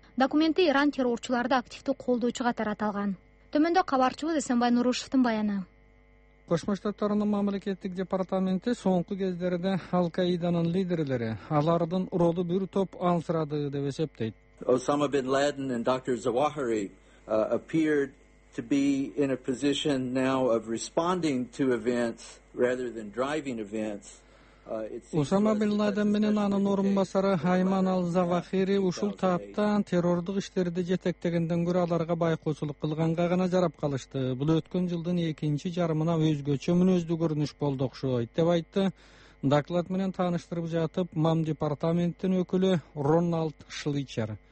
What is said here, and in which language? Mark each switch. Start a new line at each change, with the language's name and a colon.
Kyrgyz: Документте Иран террорчуларды активдүү колдоочу катары аталган. Төмөндө кабарчыбыз Эсенбай Нурушевдин баяны. Кошмо Штаттарынын мамлекеттик департаменти соңку кездерде Аль-Каиданын лидерлери, алардын ролу бир топ ансырады деп эсептейт.
English: Osama bin Laden and Dr. Zawahiri appeared to be in a position now of responding to events rather than driving events.
Kyrgyz: Osama bin Laden менен анын орун басары Айман аль-Завахири ушул тапта террордук иштерди жетектегенден көрө аларга байкоочулук кылганга гана жарап калышты. Бул өткөн жылдын экинчи жарымына өзгөчө мүнөздүү көрүнүш болду окшойт деп айтты. Доклад менен тааныштырып жатып, мам департаменттин өкүлү Роналд Шлычер.